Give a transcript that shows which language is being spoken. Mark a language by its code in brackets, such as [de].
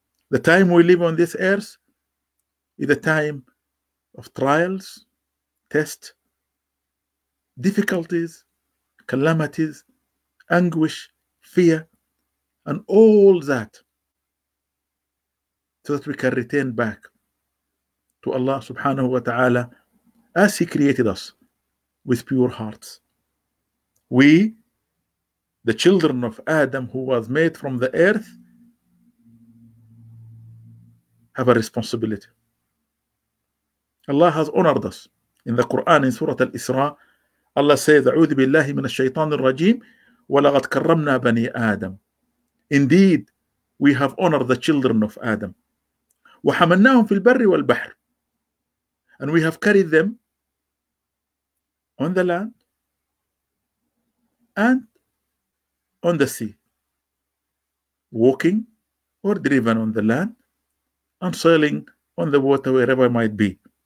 [en] The time we live on this earth is a time of trials, tests, difficulties, calamities, anguish, fear, and all that, so that we can return back to Allah subhanahu wa ta'ala as He created us with pure hearts. We, the children of Adam who was made from the earth, have a responsibility. Allah has honored us. In the Quran, in Surah Al-Isra, Allah says, [ar] أعوذ بالله من الشيطان الرجيم ولقد كرمنا بني آدم. [en] Indeed, we have honored the children of Adam. [ar] وحملناهم في البر والبحر. [en] And we have carried them on the land and on the sea, walking or driven on the land and sailing on the water wherever it might be.